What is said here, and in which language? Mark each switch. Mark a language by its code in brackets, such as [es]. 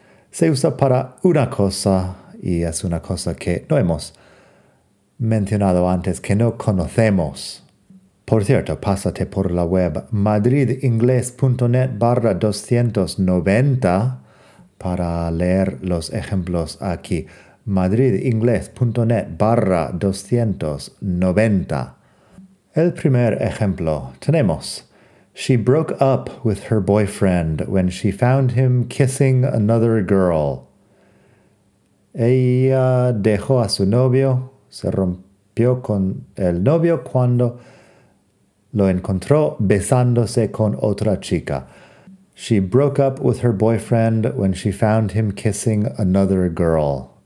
[es] Se usa para una cosa y es una cosa que no hemos mencionado antes, que no conocemos. Por cierto, pásate por la web madridingles.net/290 para leer los ejemplos aquí. madridingles.net/290. El primer ejemplo tenemos: [en] She broke up with her boyfriend when she found him kissing another girl. [es] Ella dejó a su novio, se rompió con el novio cuando lo encontró besándose con otra chica. [en] She broke up with her boyfriend when she found him kissing another girl.